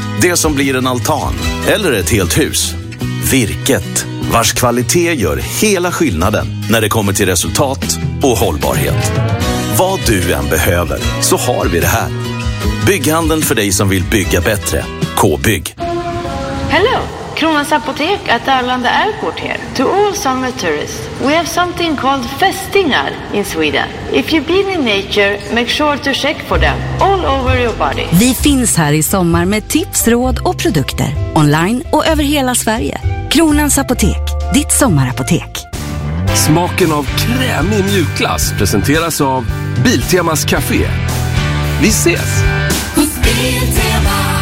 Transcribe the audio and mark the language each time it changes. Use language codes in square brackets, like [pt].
[sv] Det som blir en altan eller ett helt hus. Virket, vars kvalitet gör hela skillnaden när det kommer till resultat och hållbarhet. Vad du än behöver så har vi det här. Bygghandeln för dig som vill bygga bättre. K-bygg. [en] Hello, Kronans apotek at Arlanda Airport here. To all summer tourists, we have something called festingar in Sweden. If you've been in nature, make sure to check for them all over your body. [sv] Vi finns här i sommar med tips, råd och produkter. Online och över hela Sverige. Kronans apotek, ditt sommarapotek. Smaken av krämig mjukglass presenteras av Biltemas Café. Vi ses! Hos Biltema!